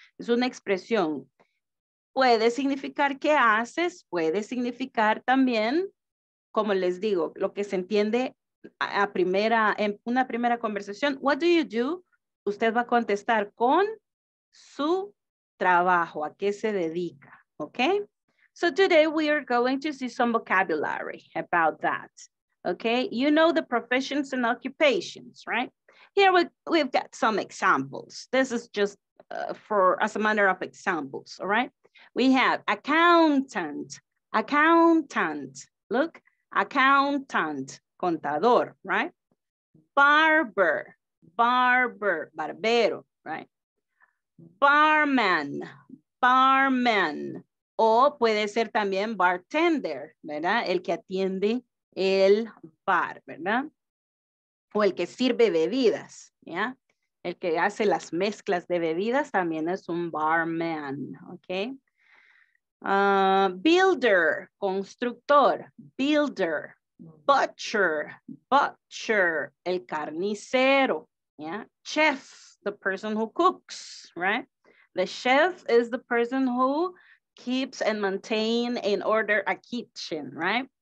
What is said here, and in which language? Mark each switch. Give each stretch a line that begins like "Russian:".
Spanish: Es una expresión. Puede significar qué haces, puede significar también, como les digo, lo que se entiende a primera, en una primera conversación,
English: what do?
Spanish: Usted va a contestar con su trabajo, a qué se dedica, okay?
English: So today we are going to see some vocabulary about that, okay? You know the professions and occupations, right? Here we've got some examples. This is just as a matter of examples, all right? We have accountant, accountant, look. Accountant, contador, right? Barber, barber, barbero, right?
Spanish: Barman, barman, o puede ser también bartender, ¿verdad? El que atiende el bar, ¿verdad? O el que sirve bebidas, ¿ya? El que hace las mezclas de bebidas también es un barman, ¿ok?
English: Builder, constructor, builder, butcher, butcher,
Spanish: el carnicero,
English: yeah, chef, the person who cooks, right? The chef is the person who keeps and maintain in order a kitchen, right?